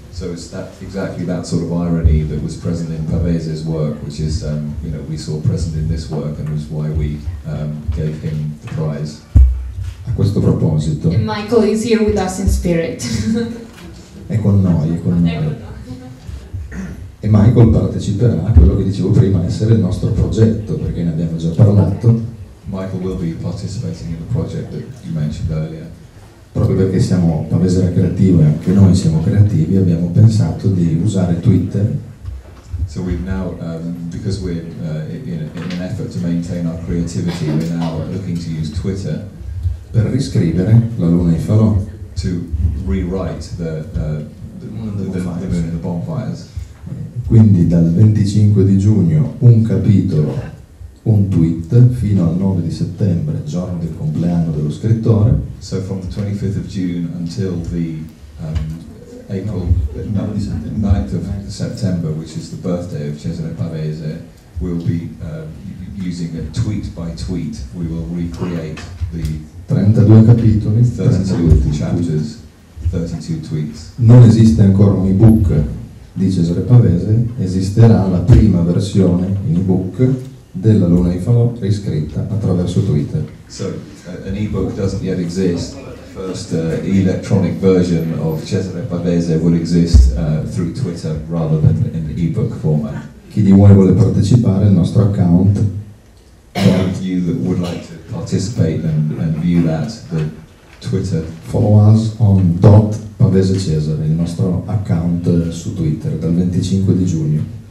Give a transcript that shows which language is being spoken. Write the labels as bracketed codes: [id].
[en] So it's that, exactly that sort of irony that was present in Pavese's work, which is, you know, we saw present in this work and was why we gave him the prize. [it] A questo proposito. [en] And Michael is here with us in spirit. [it] È con noi, è con noi. E Michael parteciperà a quello che dicevo prima, essere il nostro progetto, perché ne abbiamo già parlato. [en] Michael will be participating in the project that you mentioned earlier. [it] Proprio perché siamo Pavese era creativo e anche noi siamo creativi, abbiamo pensato di usare Twitter. [en] So we've now, because we're in an effort to maintain our creativity, we're now looking to use Twitter [it] per riscrivere la Luna e i Falò. [en] To rewrite the Moon and the Bonfires. [it] Quindi dal 25 di giugno un capitolo, un tweet, fino al 9 di settembre, giorno del compleanno dello scrittore. [en] So from the 25th of June until the April 9th of September, which is the birthday of Cesare Pavese, we'll be using a tweet by tweet, we will recreate the [it] 32 capitoli, [en] 32 chapters, 32 tweets. [it] Non esiste ancora un ebook di Cesare Pavese, esisterà la prima versione in ebook della Luna e i Falò riscritta attraverso Twitter. [en] So, an ebook doesn't yet exist, the first electronic version of Cesare Pavese will exist through Twitter rather than in the ebook format. [it] Chi di voi vuole partecipare al nostro account? [en] Those of you that would like to participate and view that, the Twitter. Follow us on [it] @PaveseCesare, il nostro account su Twitter, dal 25 di giugno.